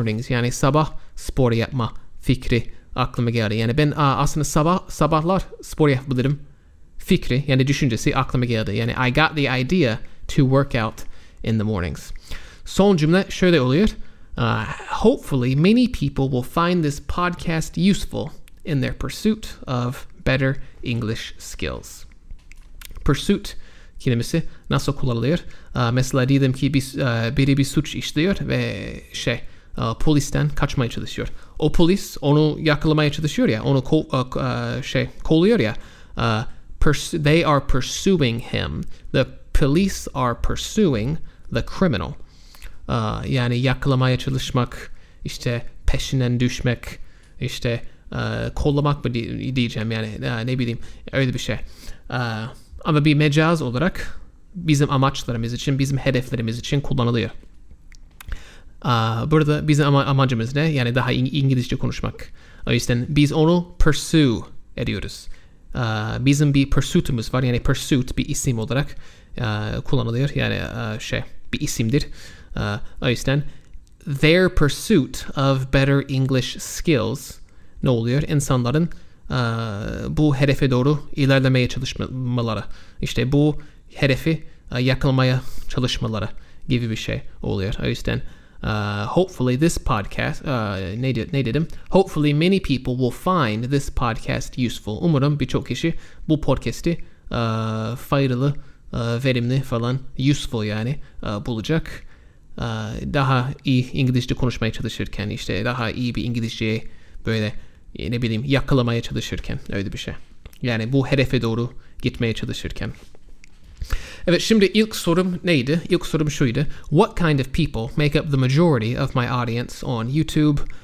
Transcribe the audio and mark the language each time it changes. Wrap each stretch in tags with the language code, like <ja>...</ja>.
<tr>Yani sabah spor yapma fikri aklıma geldi. Yani ben aslında sabahlar spor yapabilirim fikri yani düşüncesi aklıma geldi.</tr> <en>Yani I got the idea to work out in the mornings.</en> <tr>Son cümle şöyle oluyor.</tr> <en>Hopefully many people will find this podcast useful in their pursuit of better English skills.</en> <tr>Pursuit kelimesi nasıl kullanılıyor? Mesela diyelim ki biri bir suç işliyor ve polisten kaçmaya çalışıyor. O polis onu yakalamaya çalışıyor ya, onu kolluyor ya.</tr> <en>They are pursuing him. The police are pursuing the criminal.</en> <tr>Yani yakalamaya çalışmak, işte peşinden düşmek, işte kollamak mı diyeceğim yani ne bileyim öyle bir şey. Ama bir mecaz olarak bizim amaçlarımız için, bizim hedeflerimiz için kullanılıyor. Burada bizim amacımız ne? Yani daha İngilizce konuşmak. O yüzden biz onu pursue ediyoruz. Bizim bir pursuit'umuz var. Yani pursuit bir isim olarak kullanılıyor. Yani bir isimdir. O yüzden</tr> <en>their pursuit of better English skills</en> <tr>ne oluyor? İnsanların bu hedefe doğru ilerlemeye çalışmaları. İşte bu hedefi yakalamaya çalışmaları gibi bir şey oluyor. O yüzden</tr> <en>hopefully this podcast hopefully many people will find this podcast useful.</en> <tr>Umarım birçok kişi bu podcast'i faydalı, verimli falan useful yani bulacak. Daha iyi İngilizce konuşmaya çalışırken işte daha iyi bir İngilizceye böyle ne bileyim yakalamaya çalışırken öyle bir şey. Yani bu hedefe doğru gitmeye çalışırken. Evet, şimdi ilk sorum neydi? İlk sorum şuydu.</tr> <en>What kind of people make up the majority of my audience on YouTube?</en>